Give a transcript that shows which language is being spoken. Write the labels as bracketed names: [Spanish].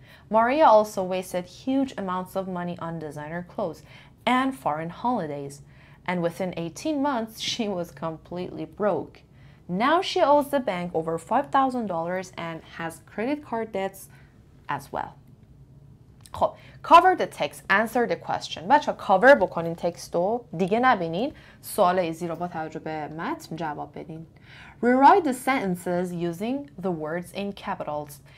[English] Maria also wasted huge amounts of money on designer clothes and foreign holidays, and within 18 months, she was completely broke. Now she owes the bank over $5,000 and has credit card debts as well. خب, cover the text, answer the question. [Persian] بچه ها, cover بکنین text رو, دیگه نبینین, سوال ایزی رو با توجه به متن جواب بدین. [English] Rewrite the sentences using the words in capitals.